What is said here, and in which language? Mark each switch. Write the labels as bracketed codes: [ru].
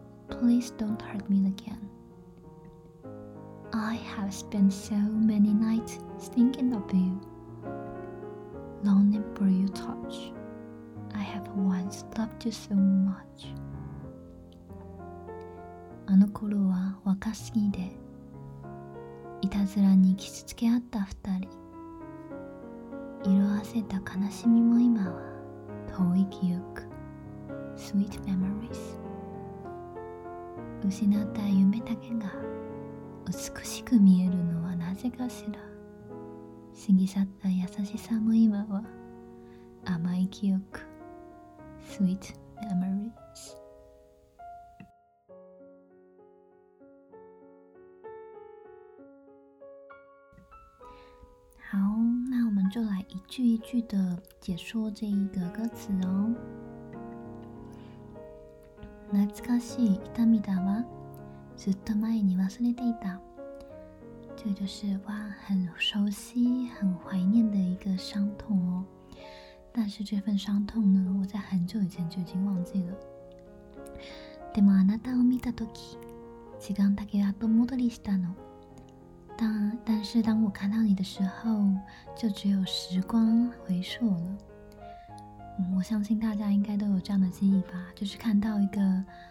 [en] Please don't hurt me again. I have spent so many nights thinking of you. Longing for your touch. I have once loved you so much. [ja] あの頃は若すぎて、いたずらに傷つけ合った二人。色あせた悲しみも今は遠い記憶。 [en] Sweet memories. [ja] 失った夢だけが美しく見えるのはなぜかしら。過ぎ去った優しさも今は甘い記憶。 [en] Sweet memories. How? [zh] 那我们就来一句一句的解说这一个歌词哦。 [ja] 懐かしい痛みだわ。ずっと前に忘れていた。 [zh] 这就是哇，很熟悉、很怀念的一个伤痛哦。但是这份伤痛呢，我在很久以前就已经忘记了。 [ja] でもあなたを見たとき、時間だけ後戻りしたの。 [zh] 但是当我看到你的时候，就只有时光回溯了。我相信大家应该都有这样的记忆吧，就是看到一个